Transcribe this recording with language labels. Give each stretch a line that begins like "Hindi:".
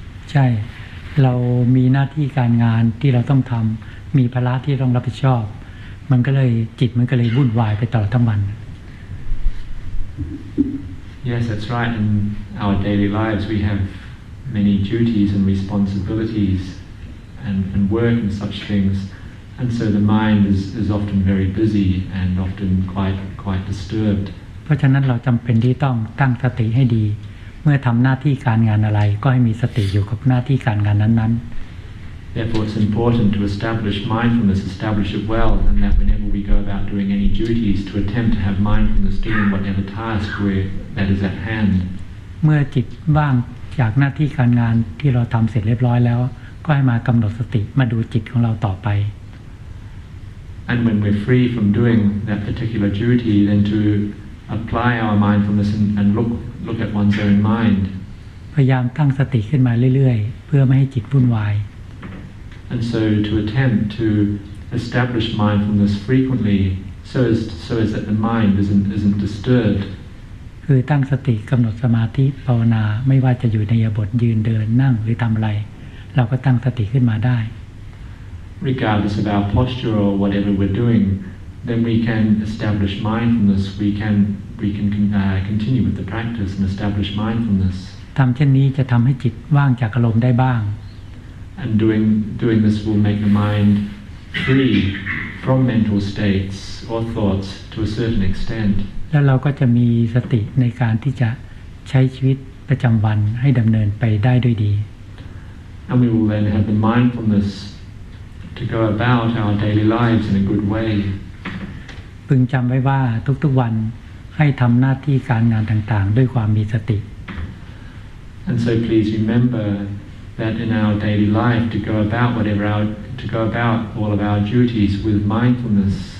Thai: ใช่เรามีหน้าที่การงานที่เราต้องทำมีภาระที่ต้องรับผิดชอบมันก็เลยจิตมันก็เลยวุ่นวายไปตลอดทั้งวัน
English: Yes that's right in our daily lives we have many duties and responsibilities and work and such things and so the mind is often very busy and often quite disturbed
Thai: เพราะฉะนั้นเราจำเป็นที่ต้องตั้งสติให้ดีเมื่อทำหน้าที่การงานอะไรก็ให้มีสติอยู่กับหน้าที่การงานนั้นๆ
English: Therefore, it's important to establish mindfulness, establish it well, and that whenever we go about doing any duties, to attempt to have mindfulness doing whatever task that is at hand.
Thai: เมื่อจิตว่างจากหน้าที่การงานที่เราทำเสร็จเรียบร้อยแล้วก็ให้มากำหนดสติมาดูจิตของเราต่อไป
English: And when we're free from doing that particular duty, then to apply our mindfulness and look at one's own mind.
Thai: พยายามตั้งสติขึ้นมาเรื่อยๆเพื่อไม่ให้จิตวุ่นวาย
English: And so to attempt to establish mindfulness frequently, so as that the mind isn't disturbed.
Thai: คือตั้งสติกำหนดสมาธิภาวนาไม่ว่าจะอยู่ในยบทยืนเดินนั่งหรือทำอะไรเราก็ตั้งสติขึ้นมาได้
English: Regardless of our posture or whatever we're doing, then we can establish mindfulness. We can continue with the practice and establish mindfulness.
Thai: ทำเช่นนี้จะทำให้จิตว่างจากอารมณ์ได้บ้าง
English: And doing this will make the mind free from mental states or thoughts to a certain extent.
Thai: แล้วเราก็จะมีสติในการที่จะใช้ชีวิตประจำวันให้ดำเนินไปได้ด้วยดี
English: And we will then have the mindfulness to go about our daily lives in a good way.
Thai: พึงจำไว้ว่าทุกๆวันให้ทำหน้าที่การงานต่างๆด้วยความมีสติ
English: And so please rememberThat in our daily life to go about all of our duties with mindfulness.